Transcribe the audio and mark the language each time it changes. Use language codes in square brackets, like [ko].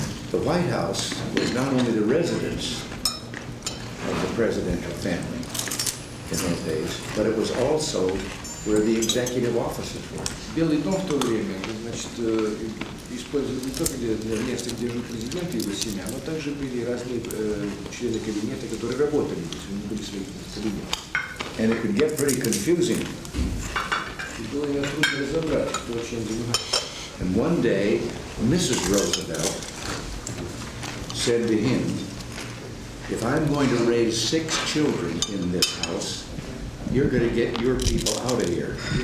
[en] The White House was not only the residence of the presidential family in those days, but it was also where the executive offices were. [ru] Белый дом в то время, значит, использовали не только для места, где жил президент и его семья, но также были разные члены кабинета, которые работали, то есть у них были свои кабинеты. [en] And it could get pretty confusing. [ru] И было не трудно разобрать, кто чем занимается. [en] And one day, Mrs. Roosevelt said to him, if I'm going to raise 6 children in this house, you're going to get your people out of here.